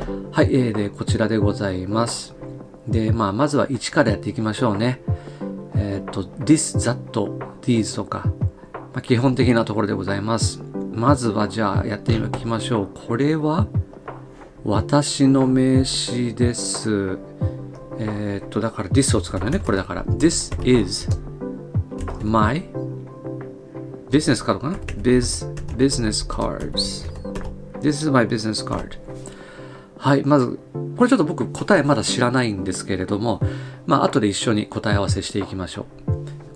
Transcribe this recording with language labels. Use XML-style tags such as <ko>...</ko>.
<ja>はい、で、こちらでございます。で、まあ、まずは1からやっていきましょうね。</ja> <en>this, that, these</en> <ja>とか、まあ、基本的なところでございます。まずは、じゃあ、やっていきましょう。これは、私の名詞です。だから、this を使うよね、これだから。</ja> <en>this is my</en> <ja>ビジネスカードかな</ja> <en>?Business cards. This is my business card.</en> <ja>はい、まず、これちょっと僕答えまだ知らないんですけれども、まあ、後で一緒に答え合わせしていきましょう。</ja>